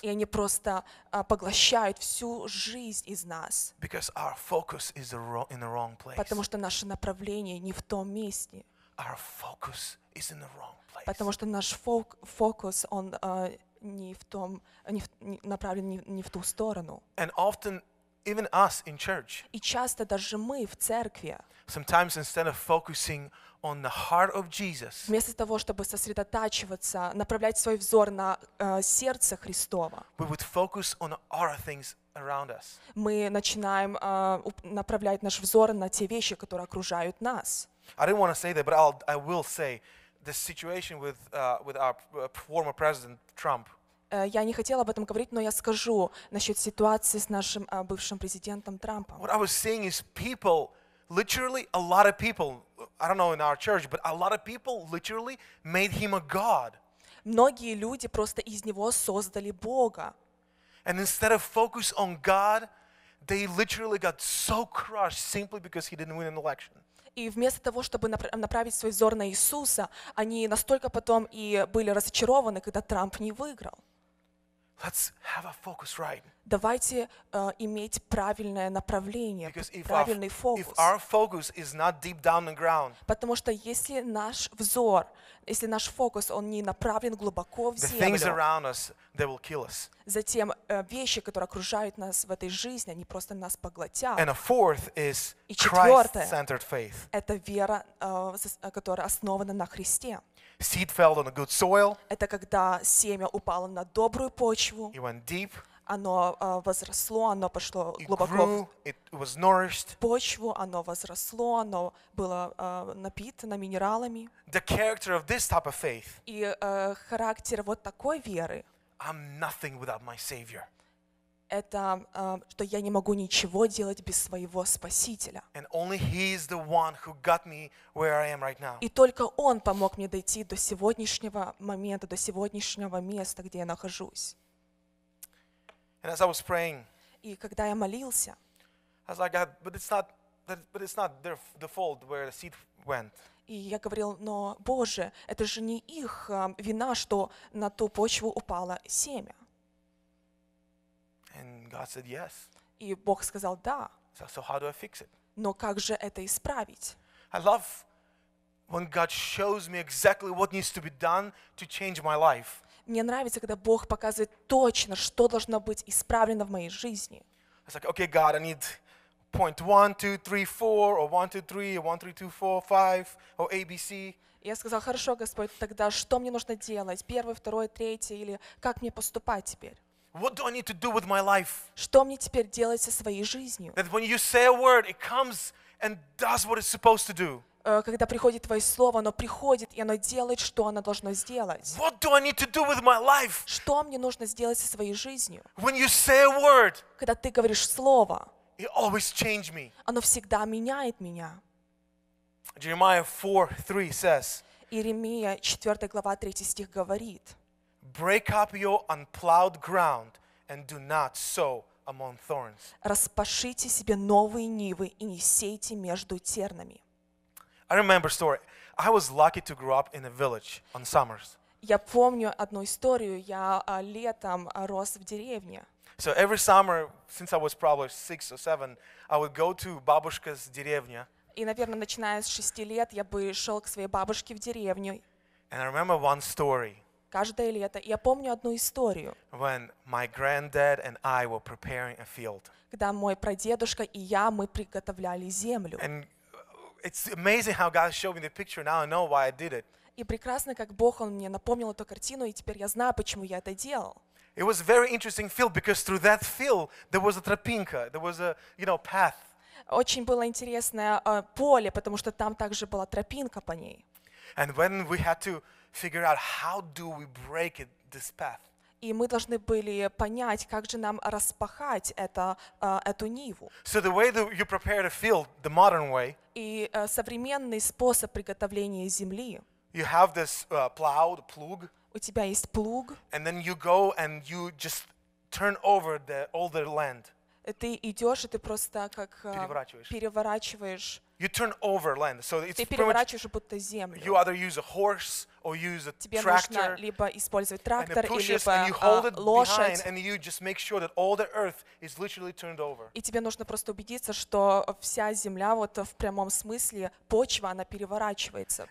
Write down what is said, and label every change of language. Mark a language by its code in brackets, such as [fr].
[ru] и они просто поглощают всю жизнь из нас, [en] because our focus is in the wrong place, [ru] потому что наше направление не в том месте. [en] Our focus is in the wrong place. [ru] Потому что наш фокус он не в том, не в, направлен не в ту сторону. [en] And often even us in church. [ru] И часто даже мы в церкви. [en] Sometimes instead of focusing on the heart of Jesus. [ru] Вместо того, чтобы сосредотачиваться, направлять свой взор на сердце Христово. [en] We would focus on other things around us. [ru] Мы начинаем направлять наш взор на те вещи, которые окружают нас. [en] I didn't want to say that, but I will say the situation with our former president Trump. [ru] Я не хотела об этом говорить, но я скажу насчет ситуации с нашим бывшим президентом Трампом. [en] What I was saying is people, literally a lot of people, I don't know in our church, but a lot of people literally made him a god. [ru] Многие люди просто из него создали Бога. [en] And instead of focus on God, they literally got so crushed simply because he didn't win an election. [ru] И вместо того, чтобы направить свой взор на Иисуса, они настолько потом и были разочарованы, когда Трамп не выиграл. [en] Let's have a focus right. [ru] Давайте иметь правильное направление, правильный фокус. [en] If our focus is not deep down the ground, [ru] потому что если наш взор, если наш фокус, он не направлен глубоко в землю, [en] the things around us, they will kill us. [ru] Затем вещи, которые окружают нас в этой жизни, они просто нас поглотят. [en] And a fourth is Christ-centered faith. [ru] Это вера, которая основана на Христе. [en] Seed fell on a good soil. [ru] Это когда семя упало на добрую почву. [en] It went deep. [ru] Оно возросло, оно пошло глубоко. [en] It was nourished. [ru] Почву, оно возросло, оно было напитано минералами. [en] The character of this type of faith. [ru] И характер вот такой веры. [en] I'm nothing without my Savior. [ru] Это что я не могу ничего делать без своего Спасителя. [en] And only He is the one who got me where I am right now. [ru] И только Он помог мне дойти до сегодняшнего момента, до сегодняшнего места, где я нахожусь. [en] And as I was praying, [ru] и когда я молился, [en] I was like, but it's not their the fault where the seed went. [ru] И я говорил, но Боже, это же не их вина, что на ту почву упало семя. [en] And God said yes. [ru] И Бог сказал да. [en] So how do I fix it? [ru] Но как же это исправить? [en] I love when God shows me exactly what needs to be done to change my life. [ru] Мне нравится, когда Бог показывает точно, что должно быть исправлено в моей жизни. [en] It's like, okay, God, I need point 1, 2, 3, 4, or 1, 2, 3, 1, 3, 2, 4, 5, or ABC. [ru] Я сказал, хорошо, Господь, тогда что мне нужно делать? Первый, второй, третий, или как мне поступать теперь? [en] What do I need to do with my life? [ru] Что мне теперь делать со своей жизнью? [en] That when you say a word, it comes and does what it's supposed to do. [ru] Когда приходит твое слово, оно приходит и оно делает, что оно должно сделать. [en] What do I need to do with my life? [ru] Что мне нужно сделать со своей жизнью? [en] When you say a word. [ru] Когда ты говоришь слово. [en] It always changes me. [ru] Оно всегда меняет меня. [en] Jeremiah 4:3 says. [ru] Иеремия 4 глава 3 стих говорит. [en] Break up your unplowed ground and do not sow among thorns. [ru] Распашите себе новые нивы и не сейте между тернами. [en] I remember a story. I was lucky to grow up in a village on summers. [ru] Я помню одну историю. Я летом рос в деревне. [en] So every summer, since I was probably 6 or 7, I would go to [ru] бабушка's деревня. И, наверное, начиная с 6 лет, я бы шел к своей бабушке в деревню. [en] And I remember one story. [ru] Каждое лето. Я помню одну историю. [en] When my granddad and I were preparing a field. [ru] Когда мой прадедушка и я, мы приготовляли землю. [en] And it's amazing how God showed me the picture. Now I know why I did it. [ru] И прекрасно, как Бог, Он мне напомнил эту картину, и теперь я знаю, почему я это делал. [en] It was a very interesting field, because through that field, there was a тропинка, there was a, you know, path. [ru] очень было интересное поле, потому что там также была тропинка по ней. [en] And when we had to figure out how do we break it, this path. [ru] И мы должны были понять, как же нам распахать это эту ниву. [en] So the way that you prepare a field, the modern way. [ru] И современный способ приготовления земли. [en] You have this plow, the plug. [ru] У тебя есть плуг. [en] And then you go and you just turn over the older land. [ru] Ты идешь, и ты просто как переворачиваешь. [en] You turn over land, so it's pretty much. [ru] Будто землю. [en] You either use a horse or use a [ru] тебе [en] tractor. [ru] Нужно либо использовать трактор, [en] and it pushes, [ru] либо, [en] and you hold it [ru] лошадь. [en] Behind, and you just make sure that all the earth is literally turned over. [ru] И тебе нужно просто убедиться, что вся земля вот в прямом смысле почва она переворачивается.